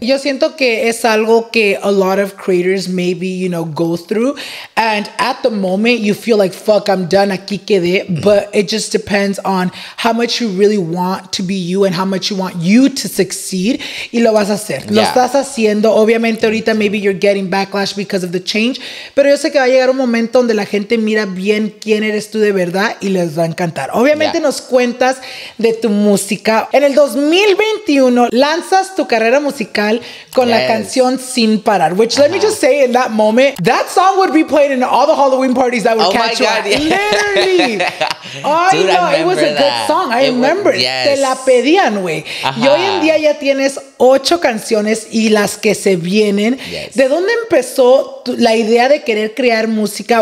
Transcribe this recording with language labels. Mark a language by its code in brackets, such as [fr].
[es] Yo siento que es algo que [en] a lot of creators maybe, you know, go through. And at the moment you feel like, fuck, I'm done, [es] aquí quedé. [en] But it just depends on how much you really want to be you and how much you want you to succeed. [es] Y lo vas a hacer. Lo estás haciendo. Obviamente ahorita [en] maybe you're getting backlash because of the change. [es] Pero yo sé que va a llegar un momento donde la gente mira bien quién eres tú de verdad y les va a encantar. Obviamente nos cuenta detrás de tu música. En el 2021 lanzas tu carrera musical con la canción Sin Parar, [en] which let me just say in that moment, that song would be played in all the Halloween parties that would catch you. Literally. Dude, I know. It was a good song. I remember. [es] Te la pedían, güey. Y hoy en día ya tienes 8 canciones y las que se vienen. ¿De dónde empezó la idea de querer crear música?